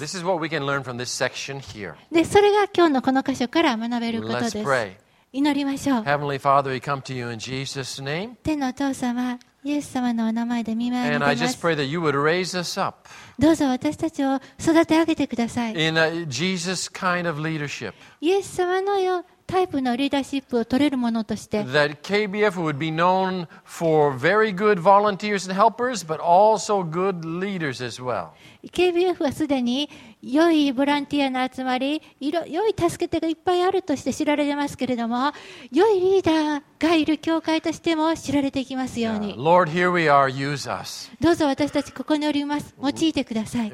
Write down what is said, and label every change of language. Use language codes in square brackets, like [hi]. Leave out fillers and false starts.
[en] This is what we can learn from this section here. [ja] で、それが今日のこの箇所から学べることです。 [en] Let's pray. [ja] 祈りましょう。 [en] Heavenly Father, we come to you in Jesus' name. [ja] 天のお父様。イエス様のお名前で御前に出ます。どうぞ私たちを育て上げてください。 [en] In a Jesus kind of leadership. [ja] イエス様のようタイプのリーダーシップを取れるものとして。 [en] That KBF would be known for very good volunteers and helpers, but also good leaders as well. [ja] KBF はすでに良いボランティアの集まり、良い助け手がいっぱいあるとして知られてますけれども、良いリーダーがいる教会としても知られていきますように。 [en] Yeah. Lord, here we are. Use us. [ja] どうぞ私たちここにおります。用いてください。